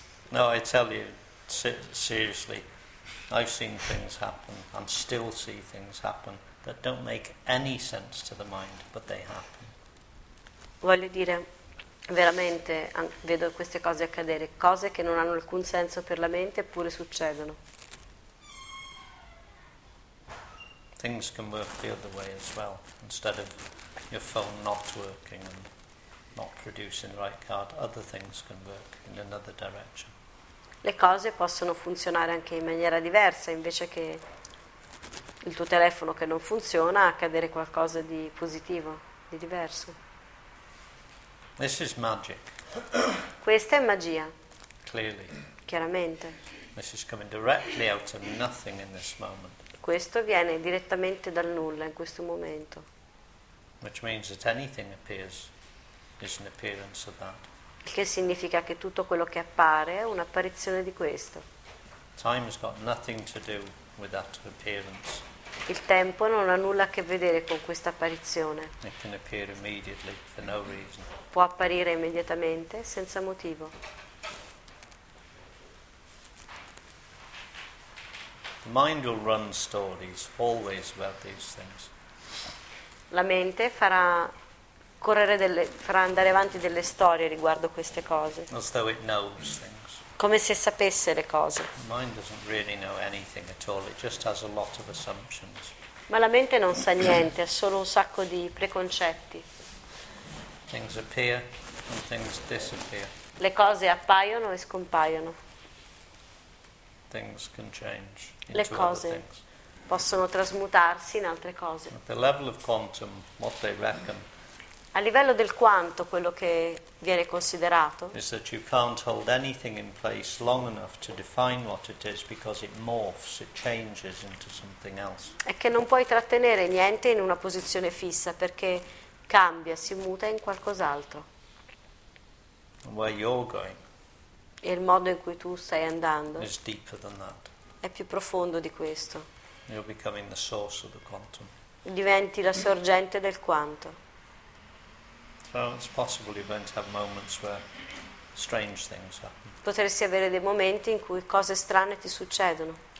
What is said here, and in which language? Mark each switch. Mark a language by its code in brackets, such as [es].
[en] No, I tell you, seriously, I've seen things happen and still see things happen that don't make any sense to the mind, but they happen. [it] Voglio dire, veramente vedo queste cose accadere, cose che non hanno alcun senso per la mente eppure succedono. [en] Things can work the other way as well, instead of your phone not working and not producing the right card, other things can work in another direction. [it] Le cose possono funzionare anche in maniera diversa, invece che il tuo telefono che non funziona, accadere qualcosa di positivo, di diverso. [en] This is magic. [it] Questa è magia. [en] Clearly. [it] Chiaramente. [en] This is coming directly out of nothing in this moment. [it] Questo viene direttamente dal nulla in questo momento. [en] Which means that anything appears is an appearance of that. [it] Il che significa che tutto quello che appare è un'apparizione di questo. [en] Time has got nothing to do with that appearance. [it] Il tempo non ha nulla a che vedere con questa apparizione. [en] It can appear immediately for no reason. [it] Può apparire immediatamente senza motivo. [en] The mind will run stories always about these things. [it] La mente farà correre delle, farà andare avanti delle storie riguardo queste cose. [en] As though it knows things. [it] Come se sapesse le cose. [en] The mind doesn't really know anything at all. It just has a lot of assumptions. [it] Ma la mente non sa niente, ha solo un sacco di preconcetti. [en] Things appear and things disappear. [it] Le cose appaiono e scompaiono. [en] Things can change. [it] Le cose possono trasmutarsi in altre cose. [en] At the level of quantum, what they reckon. [it] A livello del quanto, quello che viene considerato [en] is that you can't hold anything in place long enough to define what it is because it morphs, it changes into something else. [it] È che non puoi trattenere niente in una posizione fissa perché cambia, si muta in qualcos'altro. [en] And where you're going. [it] E il modo in cui tu stai andando [en] is deeper than that. [it] È più profondo di questo. [en] You're becoming the source of the quantum. [it] Diventi la sorgente del quanto. [en] Well, it's possible you're going to have moments where strange things happen. [it] Potresti avere dei momenti in cui cose strane ti succedono.